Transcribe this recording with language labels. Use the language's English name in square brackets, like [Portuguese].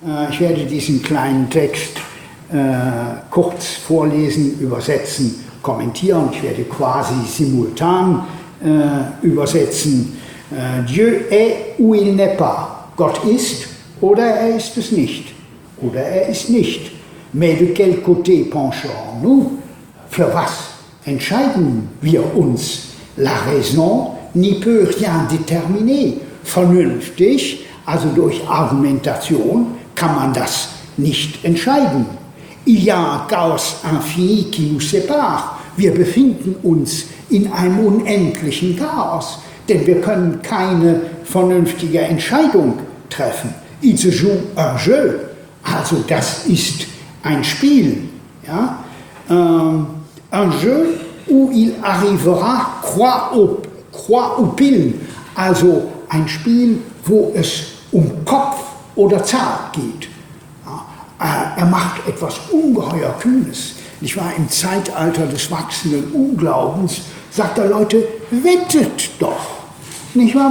[German] Ich werde diesen kleinen Text kurz vorlesen, übersetzen, kommentieren. Ich werde quasi simultan übersetzen. [French] Dieu est ou il n'est pas. [German] Gott ist oder er ist es nicht. Oder er ist nicht. [French] Mais de quel côté pencherons-nous? [German] Für was entscheiden wir uns? [French] La raison n'y peut rien déterminer. [German] Vernünftig, also durch Argumentation, kann man das nicht entscheiden. [French] Il y a un chaos infini qui nous sépare. [German] Wir befinden uns in einem unendlichen Chaos, denn wir können keine vernünftige Entscheidung treffen. [French] Il se joue un jeu. [German] Also das ist ein Spiel. Ja? [French] Un jeu où il arrivera croix ou pile. [German] Also ein Spiel, wo es um Kopf oder Zahl geht. Er macht etwas ungeheuer Kühnes. Ich war im Zeitalter des wachsenden Unglaubens, sagt er, Leute, wettet doch. Nicht wahr?